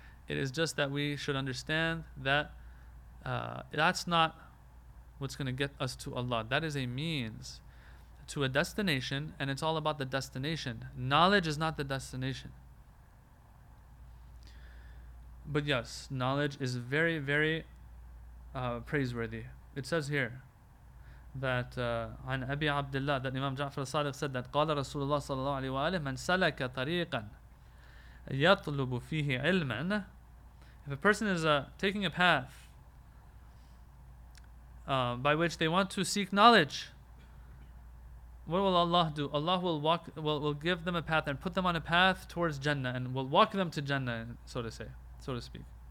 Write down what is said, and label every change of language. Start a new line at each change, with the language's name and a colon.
English: It is just that we should understand that that's not what's going to get us to Allah. That is a means to a destination, and it's all about the destination. Knowledge is not the destination. But yes, knowledge is very, very praiseworthy. It says here that
Arabic: عن أبي عبد الله
English: that Imam Ja'far al-Sadiq said that
Arabic: قال رسول الله صلى الله عليه وآله من سلك طريقا يطلب فيه علما.
English: If a person is taking a path by which they want to seek knowledge, what will Allah do? Allah will walk, will give them a path and put them on a path towards Jannah, and will walk them to Jannah, so to say, so to speak.